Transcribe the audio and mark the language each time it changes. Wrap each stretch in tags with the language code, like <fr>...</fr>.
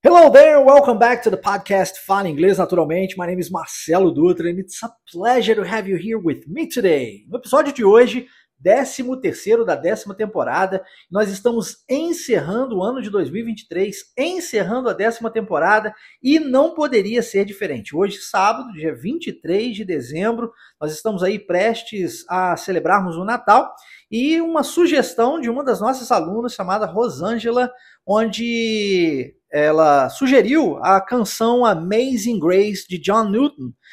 <en>there, welcome back to the podcast, Fala Inglês Naturalmente. My name is Marcelo Dutra, and it's a pleasure to have you here with me today.</en> <pt>No episódio de hoje, 13º da 10ª temporada, nós estamos encerrando o ano de 2023, encerrando a 10ª temporada, e não poderia ser diferente. Hoje, sábado, dia 23 de dezembro, nós estamos aí prestes a celebrarmos o Natal, e uma sugestão de uma das nossas alunas, chamada Rosângela, onde ela sugeriu a canção Amazing Grace, de John Newton.</pt>